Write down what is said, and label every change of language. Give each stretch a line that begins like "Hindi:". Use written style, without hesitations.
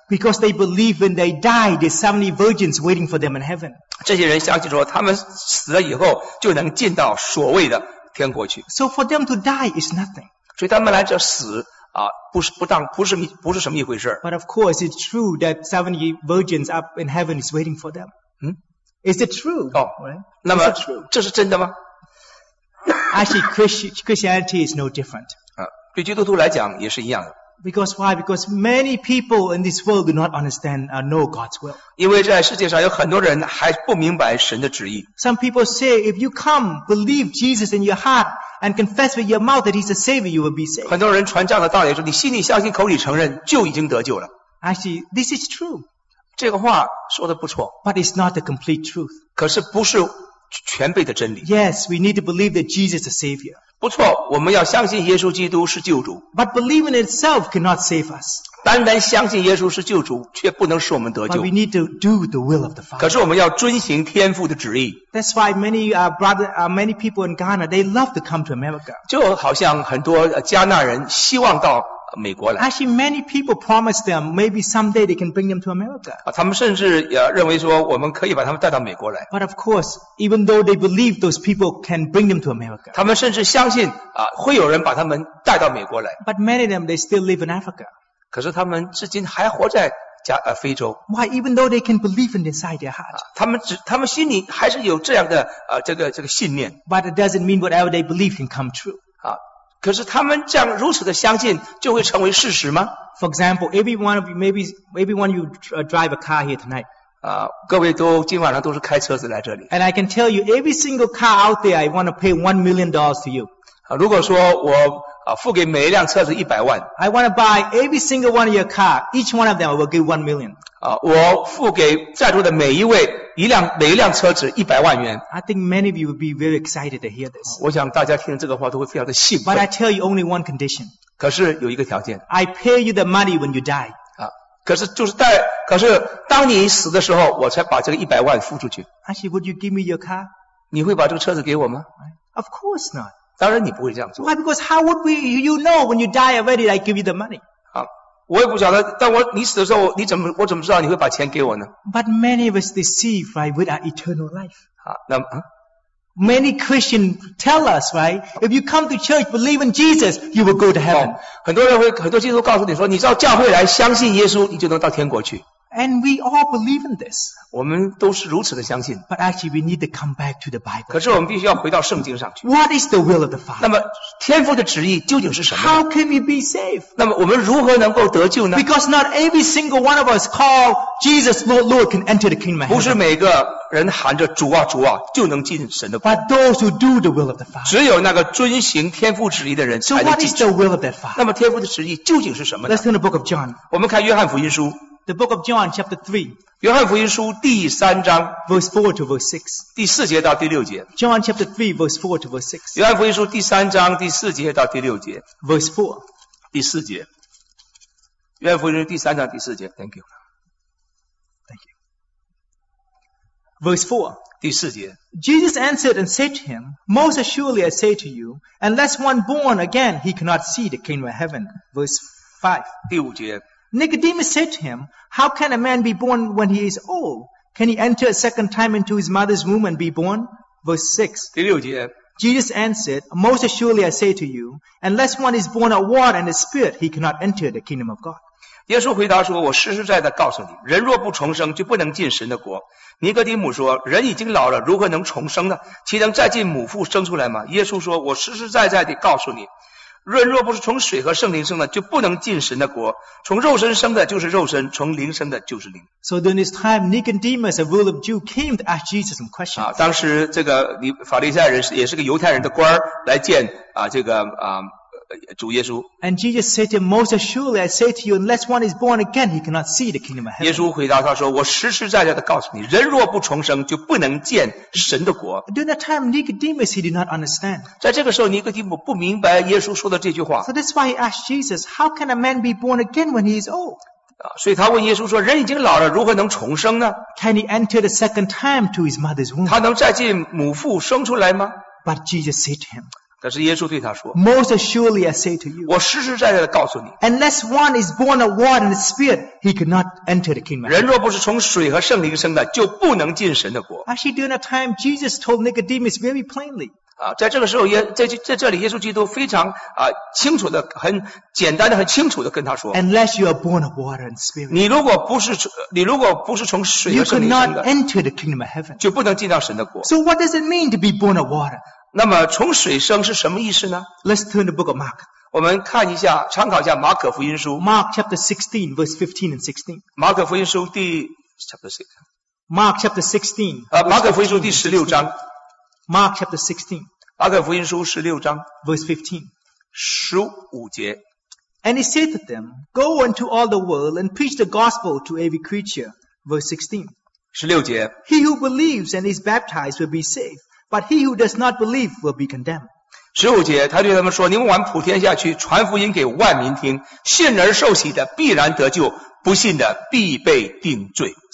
English: Because they believe when they die, there's 70 virgins waiting for them in heaven.
Chinese: 这些人相信说，他们死了以后就能进到所谓的天国去。
English: So for them to die is nothing.
Chinese: 所以他们来这死不是什么一回事。
English: But of course, it's true that 70 virgins up in heaven is waiting for them. Is it true?
Chinese: 那么这是真的吗？
English: Actually, Christianity is no different.
Chinese: 对基督徒来讲也是一样的。
English: Because why? Because many people in this world do not understand or know God's will.
Chinese: 因为在世界上有很多人还不明白神的旨意。
English: Some people say, if you come, believe Jesus in your heart and confess with your mouth that He's the Savior, you will be saved.
Chinese: 很多人传这样的道理，说你心里相信，口里承认，就已经得救了。
English: Actually, this is true.
Chinese: 这个话说的不错。
English: But it's not the complete truth.
Chinese: 可是不是全备的真理。
English: Yes, we need to believe that Jesus is the Savior.
Chinese: 不错，我们要相信耶稣基督是救主。
English: But believing in itself cannot save us.
Chinese: 单单相信耶稣是救主，却不能使我们得救。
English: But we need to do the will of the Father.
Chinese: 可是我们要遵行天父的旨意。
English: That's why many many people in Ghana they love to come to America.
Chinese: 就好像很多加纳人希望到美国来。
English: Actually, many people promise them maybe someday they can bring them to America.
Chinese: 他们甚至也认为说我们可以把他们带到美国来。
English: But of course, even though they believe those people can bring them to America.
Chinese: 他们甚至相信会有人把他们带到美国来。
English: But many of them, they still live in Africa.
Chinese: 可是他们至今还活在非洲。
English: Why? Even though they can believe inside their heart.
Chinese: 他们心里还是有这样的这个信念。
English: But it doesn't mean whatever they believe can come true.
Chinese: 可是他们这样如此的相信就会成为事实吗？
English: For example, everyone of you drive a car here tonight.
Chinese: 各位都今晚上都是开车子来这里。
English: And I can tell you, every single car out there, I want to pay $1 million to you.
Chinese: 如果说我付给每一辆车子100,000。
English: I want to buy every single one of your car, each one of them will give $1 million.
Chinese: 我付给在座的每一位每一辆车子100,000元。
English: I think many of you would be very excited to hear this.
Chinese: 我想大家听这个话都会非常的兴奋。
English: But I tell you only one condition.
Chinese: 可是有一个条件。
English: I pay you the money when you die.
Chinese: 可是当你死的时候我才把这个100,000付出去。
English: Actually, would you give me your car?
Chinese: 你会把这个车子给我吗？
English: Of course not.
Chinese: 当然你不会这样做。
English: Why? Because how would we, you know, when you die already, I give you the money.
Chinese: 我也不晓得，但你死的时候，我怎么知道你会把钱给我呢
English: ？But many of us deceive by with our eternal life.
Chinese: 那
English: Many Christians tell us, right? If you come to church, believe in Jesus, you will go to heaven.
Chinese: 很多人会，很多基督徒告诉你说，你到教会来，相信耶稣，你就能到天国去。
English: And we all believe in this.
Chinese: 我们都是如此的相信。
English: But actually, we need to come back to the Bible.
Chinese: 可是我们必须要回到圣经上去。
English: What is the will of the Father?
Chinese: 那么天父的旨意究竟是什么？
English: How can we be saved?
Chinese: 那么我们如何能够得救呢？
English: Because not every single one of us called Jesus Lord, Lord can enter the kingdom of heaven.
Chinese: 不是每个人喊着主啊主啊就能进神的国。
English: But those who do the will of the Father.
Chinese: 只有那个遵行天父旨意的人才能进去。
English: So what is the will of that Father?
Chinese: 那么天父的旨意究竟是什么呢？
English: Let's turn to the book of John.
Chinese: 我们看约翰福音书。
English: The book of John, chapter 3.
Chinese: 约翰福音书第三章
English: verse 4 to verse 6.
Chinese: 第四节到第六节。
English: John chapter 3, verse 4 to verse 6.
Chinese: 约翰福音书第三章第四节到第六节。
English: Verse 4.
Chinese: 第四节。约翰福音书第三章第四节。
English: Thank you. Thank you. Verse 4.
Chinese: 第四节。
English: Jesus answered and said to him, Most assuredly I say to you, unless one born again, he cannot see the kingdom of heaven. Verse 5.
Chinese: 第五节。
English: Nicodemus said to him, How can a man be born when he is old? Can he enter a second time into his mother's womb and be born? Verse 6.
Chinese: 第六节。
English: Jesus answered, Most assuredly I say to you, unless one is born of water and the Spirit, he cannot enter the kingdom of God.
Chinese: 耶稣回答说，我实实在在告诉你，人若不重生，就不能进神的国。尼哥底母说，人已经老了，如何能重生呢？岂能再进母腹生出来吗？耶稣说，我实实在在地告诉你，人若不是从水和圣灵生的，就不能进神的国。从肉身生的就是肉身，从灵生的就是灵。
English: So during this time, Nicodemus, a ruler of Jew, came to ask Jesus some questions.
Chinese: 当时这个法利赛人也是个犹太人的官来见这个主耶稣。
English: And Jesus said to him, Most assuredly, I say to you, unless one is born again, he cannot see the kingdom of heaven.
Chinese: 耶稣回答他说，我实实在在的告诉你，人若不重生，就不能见神的国。
English: During that time, Nicodemus, he did not understand.
Chinese: 在这个时候，尼哥底母不明白耶稣说的这句话。
English: So that's why he asked Jesus, How can a man be born again when he is old?
Chinese: 所以他问耶稣说，人已经老了，如何能重生呢？
English: Can he enter the second time to his mother's womb?
Chinese: 他能再进母腹生出来吗？
English: But Jesus said to him,
Chinese: 但是耶稣对他说
English: Most assuredly I say to you,
Chinese: 我实实在在地告诉你
English: Unless one is born of water and the Spirit, he could not enter the kingdom.
Chinese: 人若不是从水和圣灵生的就不能进神的国。
English: Actually, during that time, Jesus told Nicodemus very plainly,
Chinese: 在这个时候在这里耶稣基督非常清楚的很简单的很清楚的跟他说
English: Unless you are born of water and Spirit,
Chinese: 你如果不是从水和圣灵生的
English: You could not enter the kingdom of heaven.
Chinese: 就不能进到神的国。
English: So what does it mean to be born of water?
Chinese: 那么从水生是什么意思呢？
English: Let's turn the book of Mark.
Chinese: 我们看一下参考一下马可福音书。
English: Mark chapter 16 verse 15 and 16.
Chinese: 马可福音书第 chapter
English: 16. Mark chapter 16.
Chinese: 马可福音书第16章。
English: Mark chapter 16.
Chinese: 马可福音书16章
English: verse 15.
Chinese: 15节。
English: And he said to them, Go into all the world and preach the gospel to every creature. Verse 16.
Chinese: 16节。
English: He who believes and is baptized will be saved. But he who does not believe will be condemned.
Chinese: 十五节，他对他们说：“你们往普天下去，传福音给万民听。信而受洗的必然得救，不信的必被定罪。”